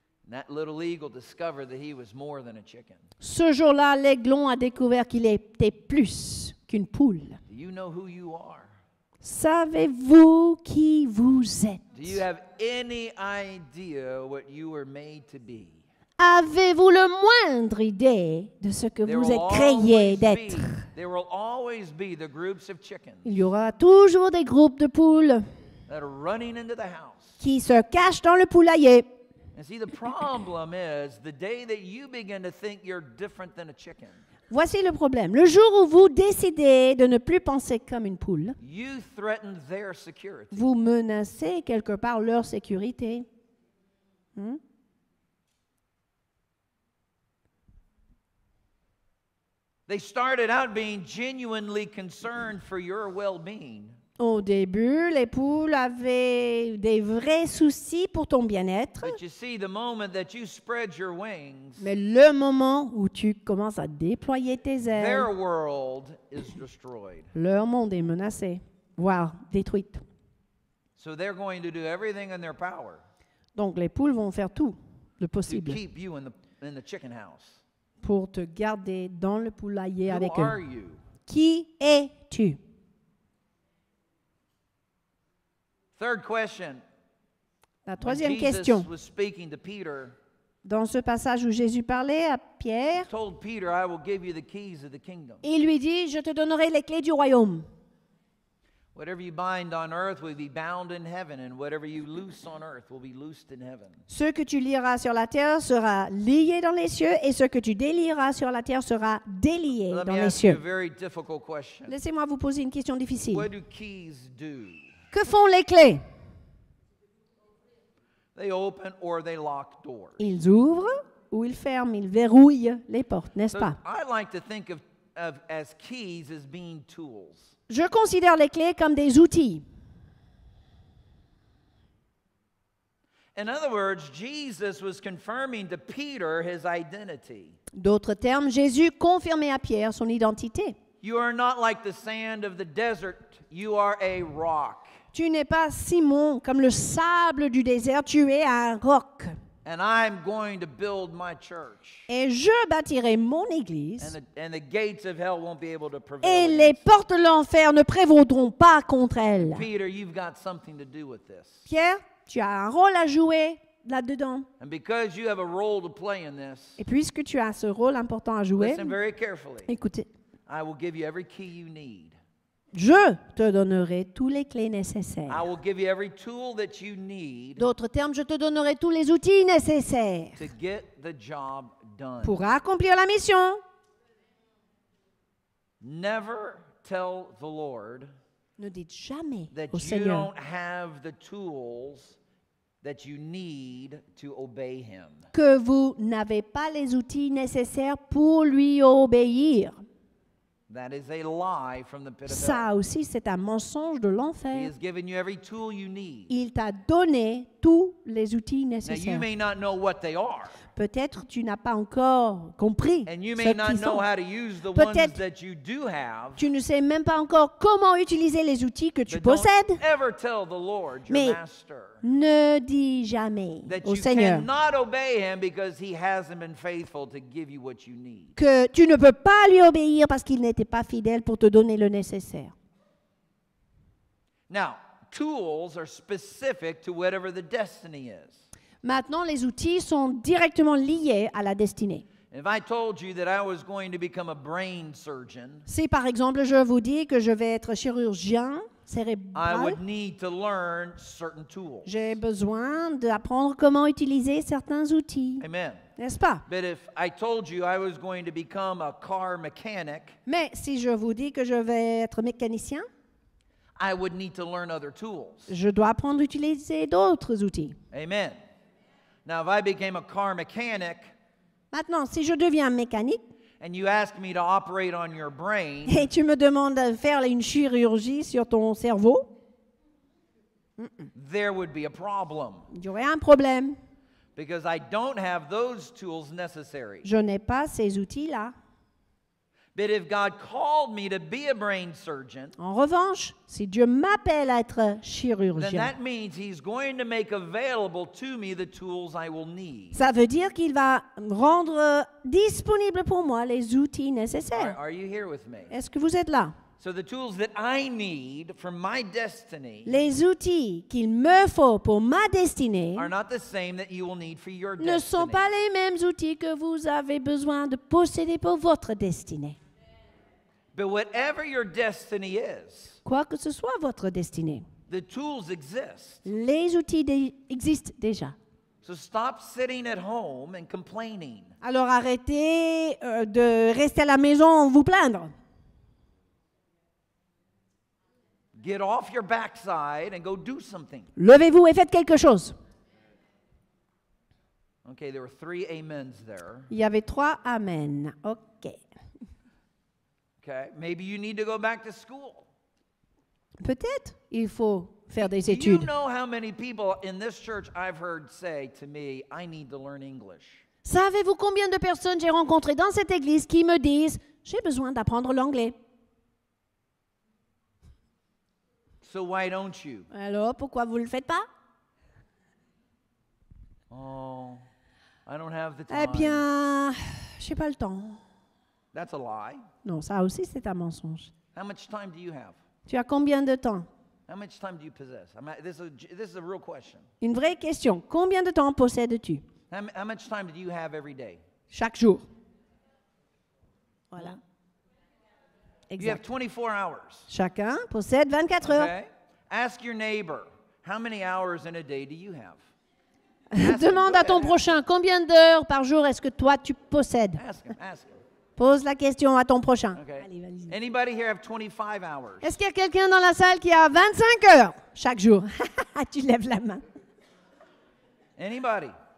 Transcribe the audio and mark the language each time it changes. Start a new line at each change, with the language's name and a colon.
English: That little eagle discovered that he was more than a chicken.
French: Ce jour-là, l'aiglon a découvert qu'il était plus qu'une poule.
English: Do you know who you are?
French: Savez-vous qui vous êtes?
English: Do you have any idea what you were made to be?
French: Avez-vous le moindre idée de ce que vous êtes créé d'être?
English: There will always be the groups of chickens.
French: Il y aura toujours des groupes de poules
English: that are running into the house.
French: Qui se cachent dans le poulailler.
English: And see, the problem is the day that you begin to think you're different than a chicken.
French: Voici le problème. Le jour où vous décidez de ne plus penser comme une poule,
English: you threaten their security.
French: Vous menacez quelque part leur sécurité.
English: They started out being genuinely concerned for your well-being.
French: Au début, les poules avaient des vrais soucis pour ton bien-être.
English: But you see, the moment that you spread your wings,
French: mais le moment où tu commences à déployer tes ailes,
English: their world is destroyed.
French: Leur monde est menacé, voire détruite.
English: So they're going to do everything in their power.
French: Donc les poules vont faire tout le possible
English: to keep you in the chicken house.
French: Pour te garder dans le poulailler
English: who
French: avec
English: are
French: eux.
English: You?
French: Qui es-tu?
English: Third question.
French: La troisième question.
English: Jesus was speaking to Peter.
French: Dans ce passage où Jésus parlait à Pierre.
English: Told Peter, I will give you the keys of the kingdom.
French: Il lui dit, je te donnerai les clés du royaume.
English: Whatever you bind on earth will be bound in heaven, and whatever you loose on earth will be loosed in heaven.
French: Ce que tu lieras sur la terre sera lié dans les cieux, et ce que tu délieras sur la terre sera délié dans les cieux.
English: Let me ask you a very difficult question.
French: Laissez-moi vous poser une question difficile.
English: What do keys do?
French: Que font les clés?
English: They open or they lock doors.
French: Ils ouvrent ou ils ferment, ils verrouillent les portes, n'est-ce pas?
English: I like to think of as keys as being tools.
French: Je considère les clés comme des outils.
English: In other words, Jesus was confirming to Peter his identity.
French: D'autres termes, Jésus confirmait à Pierre son identité.
English: You are not like the sand of the desert, you are a rock.
French: Tu n'es pas Simon, comme le sable du désert, tu es un roc.
English: And I'm going to build my church.
French: Et je bâtirai mon église.
English: And the gates of hell won't be able to prevail.
French: Et les portes de l'enfer ne prévaudront pas contre elles.
English: Peter, you've got something to do with this.
French: Pierre, tu as un rôle à jouer là-dedans.
English: And because you have a role to play in this,
French: et puisque tu as ce rôle important à jouer,
English: listen very carefully.
French: Écoutez,
English: I will give you every key you need.
French: Je te donnerai toutes les clés nécessaires.
English: I will give you every tool that you need.
French: D'autres termes, je te donnerai tous les outils nécessaires
English: to get the job done.
French: Pour accomplir la mission.
English: Never tell the Lord
French: ne dites jamais
English: that
French: au
English: you
French: Seigneur
English: don't have the tools that you need to obey him.
French: Que vous n'avez pas les outils nécessaires pour lui obéir.
English: That is a lie from the pit of hell.
French: Ça aussi, c'est un mensonge de l'enfer.
English: He has given you every tool you need.
French: Il t'a donné tous les outils nécessaires.
English: Now, you may not know what they are.
French: Peut-être tu n'as pas encore compris
English: and you may
French: ce
English: not know
French: sont.
English: How to use the
French: Peut-être
English: ones that you do have.
French: Tu ne sais même pas encore comment utiliser les outils que tu possèdes.
English: Don't ever tell the Lord, your
French: Mais
English: master,
French: ne dis jamais
English: that
French: au
English: you
French: Seigneur
English: cannot obey him because he hasn't been faithful to give you what you need.
French: Que tu ne peux pas lui obéir parce qu'il n'était pas fidèle pour te donner le nécessaire.
English: Now, tools are specific to whatever the destiny is.
French: Maintenant, les outils sont directement liés à la destinée.
English: If I told you that I was going to become a brain surgeon,
French: si, par exemple, je vous dis que je vais être chirurgien cérébral,
English: I would need to learn certain tools.
French: J'ai besoin d'apprendre comment utiliser certains outils.
English: Amen.
French: N'est-ce pas?
English: But if I told you I was going to become a car mechanic,
French: mais si je vous dis que je vais être mécanicien,
English: I would need to learn other tools.
French: Je dois apprendre à utiliser d'autres outils.
English: Amen. Now, if I became a car mechanic,
French: maintenant, si je deviens mécanique,
English: and you ask me to operate on your brain,
French: et tu me demandes de faire une chirurgie sur ton cerveau,
English: there would be a problem.
French: Il y aurait un problème.
English: Because I don't have those tools necessary.
French: Je n'ai pas ces outils-là.
English: But if God called me to be a brain surgeon,
French: en revanche, si Dieu m'appelle à être chirurgien,
English: then that means He's going to make available to me the tools I will need.
French: Ça veut dire qu'il va rendre disponible pour moi les outils nécessaires.
English: Are you here with me?
French: Est-ce que vous êtes là?
English: So the tools that I need for my destiny,
French: les outils qu'il me faut pour ma destinée,
English: are not the same that you will need for your destiny.
French: Ne sont pas les mêmes outils que vous avez besoin de posséder pour votre destinée.
English: But whatever your destiny is,
French: quoi que ce soit votre destinée,
English: the tools exist.
French: Les outils existent déjà.
English: So stop sitting at home and complaining.
French: Alors arrêtez de rester à la maison et vous plaindre.
English: Get off your backside and go do something.
French: Levez-vous et faites quelque chose.
English: Okay, there were three amens there.
French: Il y avait trois amen. Okay.
English: Okay, maybe you need to go back to school.
French: Peut-être il faut faire des
English: do
French: études.
English: Do you know how many people in this church I've heard say to me, I need to learn English?
French: Savez-vous combien de personnes j'ai rencontrées dans cette église qui me disent, j'ai besoin d'apprendre l'anglais?
English: So why don't you?
French: Alors, pourquoi vous le faites pas?
English: Oh, I don't have the time.
French: Eh bien, je n'ai pas le temps.
English: That's a lie.
French: Non, ça aussi, c'est un mensonge.
English: How much time do you have?
French: Tu as combien de temps?
English: How much time do you possess? This is a real question.
French: Une vraie question. Combien de temps possèdes-tu?
English: How much time do you have every day?
French: Chaque jour. Voilà. Exact.
English: You have 24 hours.
French: Chacun possède 24 heures.
English: Okay. Ask your neighbor, how many hours in a day do you have?
French: Demande à ton prochain, combien d'heures par jour est-ce que toi tu possèdes?
English: Ask him.
French: Pose la question à ton prochain.
English: Okay.
French: Allez.
English: Anybody here have 25 hours?
French: Est-ce qu'il y a quelqu'un dans la salle qui a 25 heures chaque jour? Tu lèves la main.
English: Anybody?